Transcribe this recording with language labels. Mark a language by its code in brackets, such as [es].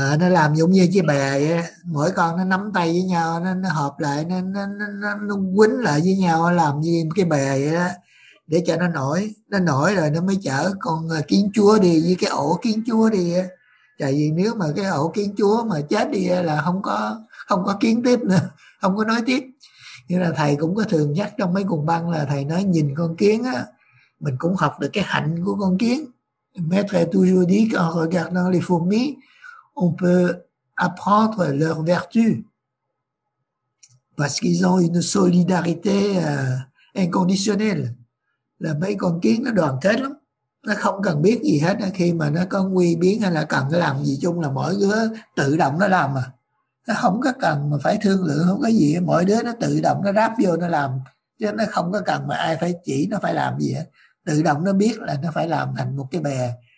[vi] Nó làm giống như chiếc bè vậy đó. Mỗi con nó nắm tay với nhau, nó hợp lại, nó quấn lại với nhau, làm như cái bè vậy đó, để cho nó nổi rồi nó mới chở con kiến chúa đi, với cái ổ kiến chúa đi đó. Tại vì nếu mà cái ổ kiến chúa mà chết đi là không có kiến tiếp nữa, không có nói tiếp. Nhưng là thầy cũng có thường nhắc trong mấy cuộc băng là thầy nói nhìn con kiến á, mình cũng học được cái hạnh của con kiến. [fr] Maître toujours dit qu'en regardant les fourmis, on peut apprendre leurs vertus. Parce qu'ils ont une solidarité inconditionnelle. [vi] Là mấy con kiến nó đoàn kết lắm. Nó không cần biết gì hết, khi mà nó có nguy biến hay là cần cái làm gì chung là mỗi đứa tự động nó làm à. Nó không có cần mà phải thương lượng, không có gì, mỗi đứa nó tự động nó ráp vô nó làm. Chứ nó không có cần mà ai phải chỉ nó phải làm gì hết. Tự động nó biết là nó phải làm thành một cái bè.